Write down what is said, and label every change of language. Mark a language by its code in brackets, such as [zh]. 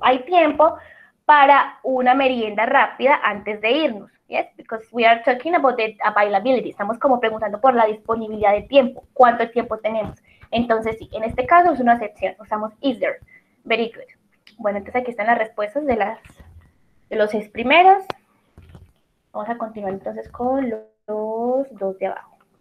[es] Hay tiempo para una merienda rápida antes de irnos. [en] Yes, because we are talking about the availability. [es] Estamos como preguntando por la disponibilidad de tiempo. ¿Cuánto tiempo tenemos? Entonces, sí, en este caso es una excepción. Usamos is there. [en] Very good. [es] Bueno, entonces aquí están las respuestas de los seis primeros. Vamos a continuar entonces con los dos de abajo.